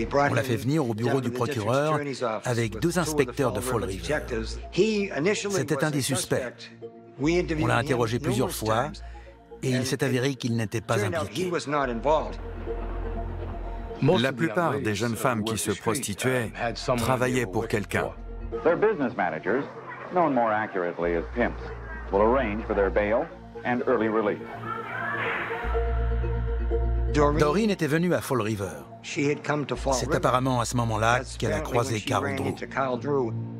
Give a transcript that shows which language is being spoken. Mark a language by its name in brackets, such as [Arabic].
[French] On l'a fait venir au bureau du procureur avec deux inspecteurs de Fall River. C'était un des suspects. On l'a interrogé plusieurs fois et il s'est avéré qu'il n'était pas impliqué. La plupart des jeunes femmes qui se prostituaient travaillaient pour quelqu'un. [English] Their business managers, known more accurately as pimps, will arrange for their bail and early release. [French] Doreen était venue à Fall River. C'est apparemment à ce moment-là qu'elle a croisé Carl Drew.